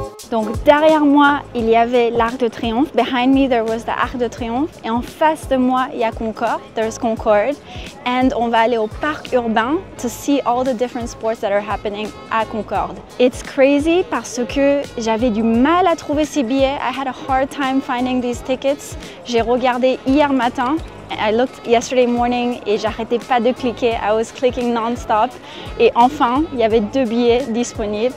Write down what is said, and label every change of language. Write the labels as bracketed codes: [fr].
[fr] Donc derrière moi, il y avait l'Arc de Triomphe. [en] Behind me, there was the Arc de Triomphe. [fr] Et en face de moi, il y a Concorde. [en] There's Concorde. And [fr] on va aller au parc urbain [en] to see all the different sports that are happening [fr] à Concorde. [en] It's crazy [fr] parce que j'avais du mal à trouver ces billets. [en] I had a hard time finding these tickets. [fr] J'ai regardé hier matin. [en] I looked yesterday morning [fr] et j'arrêtais pas de cliquer. [en] I was clicking non-stop. [fr] Et enfin, il y avait deux billets disponibles.